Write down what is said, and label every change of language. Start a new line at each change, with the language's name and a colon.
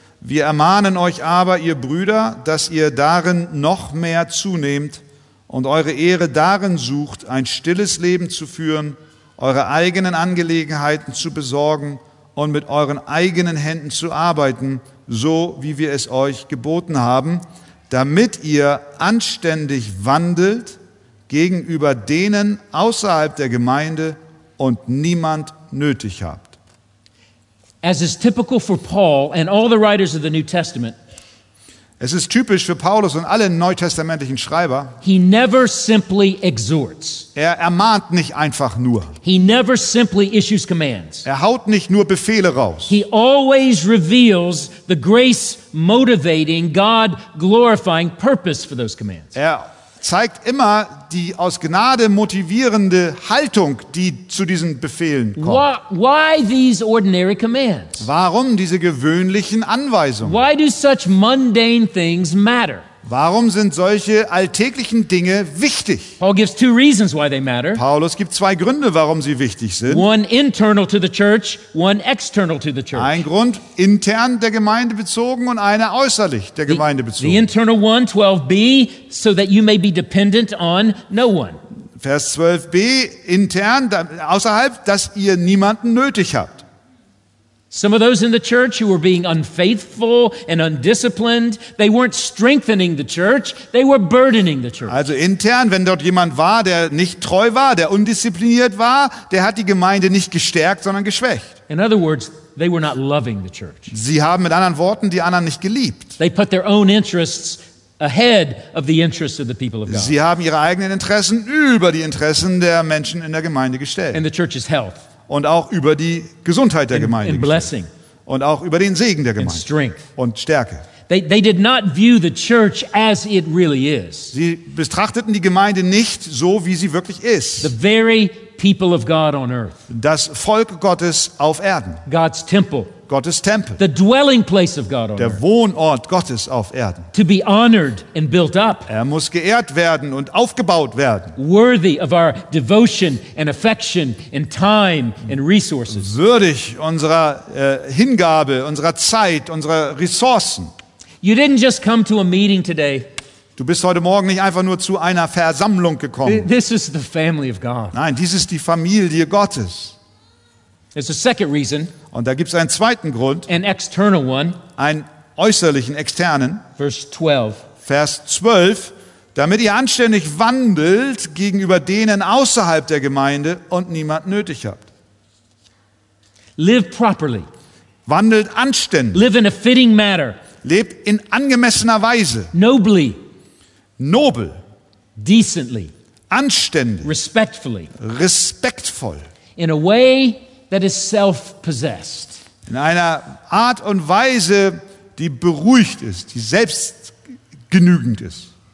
German: Wir ermahnen euch aber, ihr Brüder, dass ihr darin noch mehr zunehmt und eure Ehre darin sucht, ein stilles Leben zu führen, eure eigenen Angelegenheiten zu besorgen und mit euren eigenen Händen zu arbeiten, so wie wir es euch geboten haben, damit ihr anständig wandelt gegenüber denen außerhalb der Gemeinde und niemand nötig habt.
English: As is typical for Paul and all the writers of the New Testament.
German: Es ist typisch für Paulus und alle neutestamentlichen Schreiber.
English: He never simply exhorts.
German: Er ermahnt nicht einfach nur.
English: He never simply issues commands.
German: Er haut nicht nur Befehle raus.
English: He always reveals the grace motivating God glorifying purpose for those commands.
German: Er zeigt immer die aus Gnade motivierende Haltung, die zu diesen Befehlen kommt.
English: Why these ordinary commands?
German: Warum diese gewöhnlichen Anweisungen?
English: Why do such mundane things matter?
German: Warum sind solche alltäglichen Dinge wichtig?
English: Paul gives two reasons why they matter.
German: Paulus gibt zwei Gründe, warum sie wichtig sind.
English: One internal to the church, one external to the church.
German: Ein Grund intern der Gemeinde bezogen und einer äußerlich der Gemeinde bezogen.
English: The internal one, 12b, so that you may be dependent on no one.
German: Vers 12b, intern, außerhalb, dass ihr niemanden nötig habt.
English: Some of those in the church who were being unfaithful and undisciplined, they weren't strengthening the church, they were burdening the church.
German: Also intern, wenn dort jemand war, der nicht treu war, der undiszipliniert war, der hat die Gemeinde nicht gestärkt, sondern geschwächt.
English: In other words, they were not loving the church.
German: Sie haben mit anderen Worten die anderen nicht geliebt.
English: They put their own interests ahead of the interests of the people of God.
German: Sie haben ihre eigenen Interessen über die Interessen der Menschen in der Gemeinde gestellt.
English: And the church's health.
German: Und auch über die Gesundheit der Gemeinde
English: and blessing,
German: und auch über den Segen der Gemeinde
English: and strength.
German: Und Stärke.
English: They did not view the church as it really is.
German: Sie betrachteten die Gemeinde nicht so, wie sie wirklich ist.
English: The very people of God on earth.
German: Das Volk Gottes auf Erden.
English: God's temple.
German: Gottes Tempel.
English: The dwelling place of God on
German: der
English: earth.
German: Wohnort Gottes auf Erden.
English: To be honored and built up.
German: Er muss geehrt werden und aufgebaut werden.
English: Worthy of our devotion and affection and time and resources.
German: Würdig unserer Hingabe, unserer Zeit, unserer Ressourcen.
English: You didn't just come to a meeting today.
German: Du bist heute Morgen nicht einfach nur zu einer Versammlung gekommen.
English: This is the family of God.
German: Nein, dies ist die Familie Gottes.
English: There's a second reason.
German: Und da gibt's einen zweiten Grund.
English: An external one.
German: Einen äußerlichen, externen.
English: Verse 12.
German: Vers 12. Damit ihr anständig wandelt gegenüber denen außerhalb der Gemeinde und niemand nötig habt.
English: Live properly.
German: Wandelt anständig.
English: Live in a fitting manner.
German: Lebt in angemessener Weise.
English: Nobly.
German: Nobel.
English: Decently.
German: Anständig.
English: Respectfully.
German: Respektvoll.
English: In a way that is self-possessed.
German: In einer Art und Weise, die beruhigt ist, die selbstgenügend ist.